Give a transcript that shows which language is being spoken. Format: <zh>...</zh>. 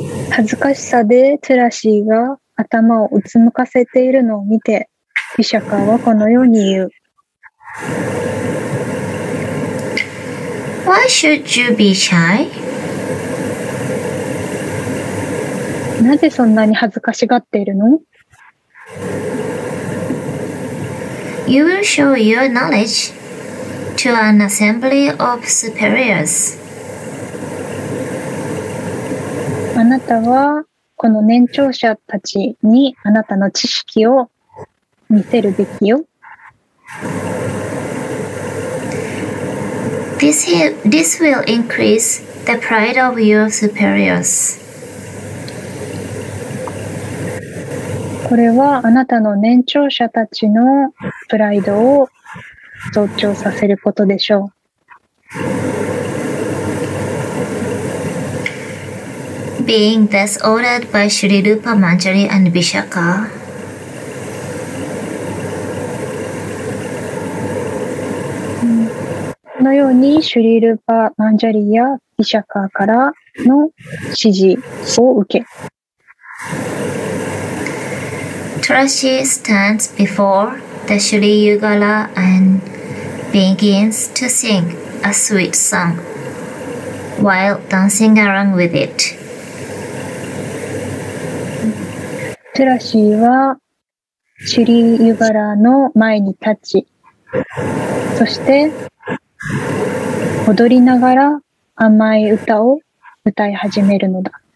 <ja>恥ずかしさでトラシーが頭をうつむかせているのを見て、ビシャカはこのように言う。</ja> <en>Why should you be shy?</en> <ja>なぜそんなに恥ずかしがっているの?</ja> <en>You will show your knowledge to an assembly of superiors.</en> <ja>あなたはこの年長者たちにあなたの知識を見せるべきよ。</ja> <en>This will increase the pride of your superiors.</en> <ja>これはあなたの年長者たちのプライドを増長させることでしょう。</ja> <en>Being thus ordered by Shri Rupa Manjari and Vishakha,</en> <ja>このようにシュリルパ・マンジャリやビシャカーからの指示を受け、</ja> <en>トラシー stands before the Shri Yugala and begins to sing a sweet song while dancing around with it.</en> <ja>トラシーはシュリユガラの前に立ち、そして踊りながら甘い歌を歌い始めるのだ。</ja>